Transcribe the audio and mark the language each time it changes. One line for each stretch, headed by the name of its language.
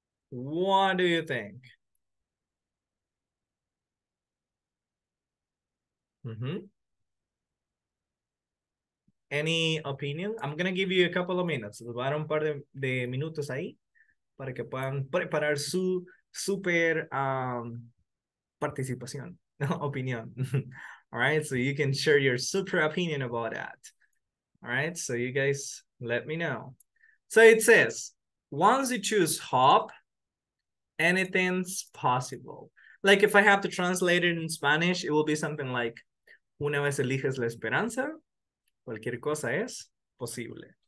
English: What do you think? Any opinion? I'm gonna give you a couple of minutes.
Spanish: Dar un par de minutos ahí para que puedan preparar su super participación, opinión.
English: All right, so you can share your super opinion about that. All right, so you guys let me know. So it says, once you choose hop, anything's possible. Like if I have to translate it in Spanish, it will be something like,
Spanish: una vez eliges la esperanza, cualquier cosa es posible.